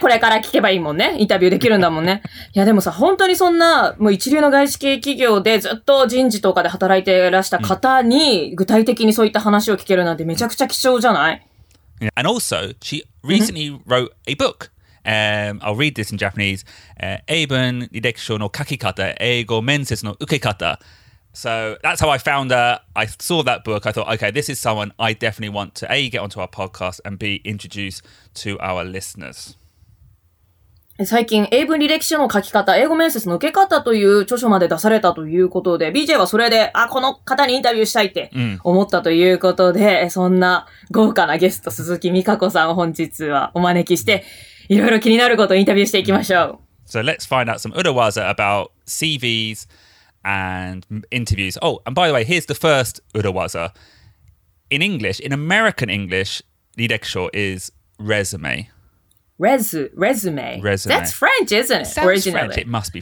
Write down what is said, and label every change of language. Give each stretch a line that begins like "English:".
Japanese: これから聞けばいいもんね。インタビューできるんだもんね。いやでもさ、本当にそんな、もう一流の外資系企業でずっと人事とかで働いてらした方に、具体的にそういった話を聞けるなんてめちゃくちゃ貴重じゃない?
English: And also, she recently wrote a book. I'll read this in Japanese.
Japanese: 英文履歴書の書き方、英語面接の受け方。
English: So that's how I found her. I saw that book. I thought, okay, this is someone I definitely want to A, get onto our podcast and B, introduce to our listeners.
Japanese: 最近、英文履歴書の書き方、英語面接の受け方という著書まで出されたということで、BJ はそれで、あ、この方にインタビューしたいって思ったということで、そんな豪華なゲスト、鈴木美香子さんを本日はお招きして、いろいろ気になることをインタビューしていきましょう。
English: So let's find out some Uruwaza about CVs. And interviews. Oh, and by the way, here's the first Uruwaza. In English, in American English, 履歴書 is resume. Resume. That's French, isn't it? Originally.